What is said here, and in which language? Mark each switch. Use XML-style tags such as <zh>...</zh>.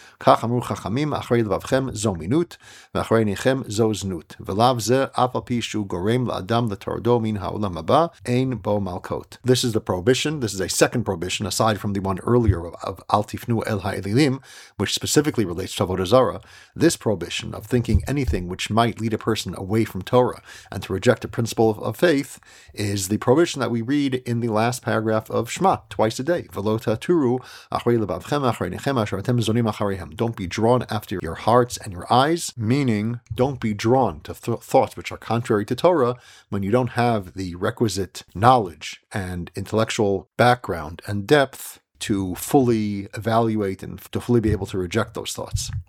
<he>Kach amru chachamim acharei לבבכם זו מינות, ואחרי עיניכם זו זנות. ולאו זה, אף על פי שהוא גורם לאדם לתורדו מן העולם הבא, אין בו מלכות.</he> <en>This is the prohibition. This is a second prohibition, aside from the one earlier of</en> <he>אל תפנו אל האלילים,</he> <en>which specifically relates to עבודה זרה. This prohibition of thinking anything which might lead a person away from Torah and to reject a principle of faith is the prohibition that we read in the last paragraph of Shema, twice a day.</en> <he>ולא תתורו, אחרי לבבכם, אחרי עיניכם, אשר אתם זונים אחריהם.</he> <en>Don't be drawn after your hearts and your eyes, meaning don't be drawn to thoughts which are contrary to Torah when you don't have the requisite knowledge and intellectual background and depth to fully evaluate and to fully be able to reject those thoughts.</en>